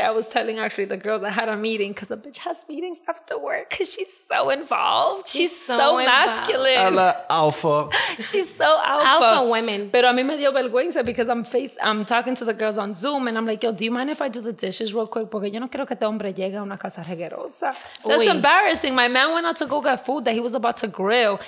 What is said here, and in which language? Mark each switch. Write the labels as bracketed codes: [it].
[en] I was telling actually the girls I had a meeting because a bitch has meetings after work because she's so involved. She's so involved. Masculine. I love alpha. She's so alpha. Alpha women. [es] Pero a mí me dio vergüenza [en] because I'm talking to the girls on Zoom and I'm like, yo, do you mind if I do the dishes real quick? [es] Porque yo no quiero que este hombre llegue a una casa reguerosa. [en] That's embarrassing. My man went out to go get food that he was about to grill.